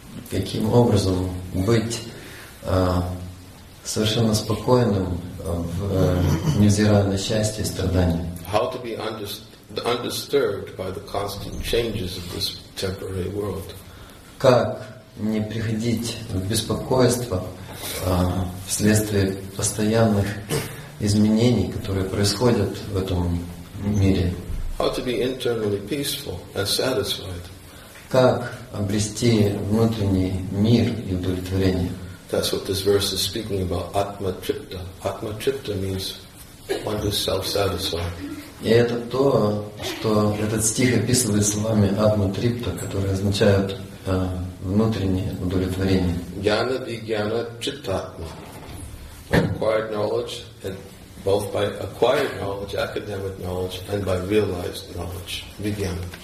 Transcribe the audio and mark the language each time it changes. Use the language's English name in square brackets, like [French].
[Russian] Каким образом быть совершенно спокойным, невзирая на счастье и страдания. [English] How to be undisturbed by the constant changes of this temporary world. [Russian] Как не приходить в беспокойство вследствие постоянных изменений, которые происходят в этом мире. [English] How to be internally peaceful and satisfied. [Russian] Как обрести внутренний мир и удовлетворение. [English] That's what this verse is speaking about, Atma Tripta. Atma Tripta means one who is self-satisfied. [Russian] И это то, что этот стих описывает словами Atma Tripta, которые означают внутреннее удовлетворение. [Sanskrit] Jnana Vijnana Chittatma. [English] Acquired knowledge, and both by acquired knowledge, academic knowledge, and by realized knowledge, Vijnana.